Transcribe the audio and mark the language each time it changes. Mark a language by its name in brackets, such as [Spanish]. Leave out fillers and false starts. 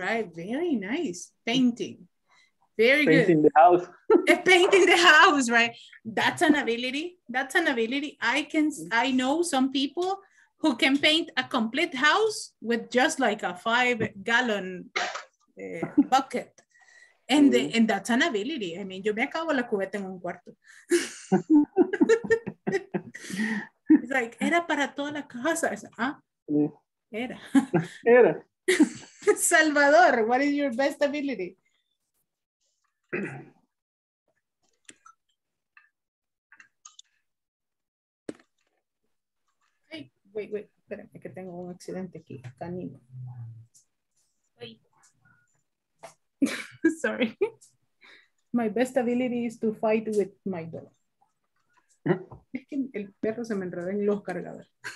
[English] Right. Very nice. Painting. Very painting good. The house. Painting the house, right? That's an ability. That's an ability. I know some people who can paint a complete house with just like a 5-gallon bucket. And and that's an ability. I mean, [Spanish] yo me acabo la cubeta en un cuarto. [English] It's like, [Spanish] era para toda la casa. Era. Era. [English] Salvador, what is your best ability? Hey, wait, [Spanish] espérame que tengo un accidente aquí, canino. [English] Sorry. My best ability is to fight with my dog. ¿Eh? [Spanish] Es que el perro se me enredó en los cargadores.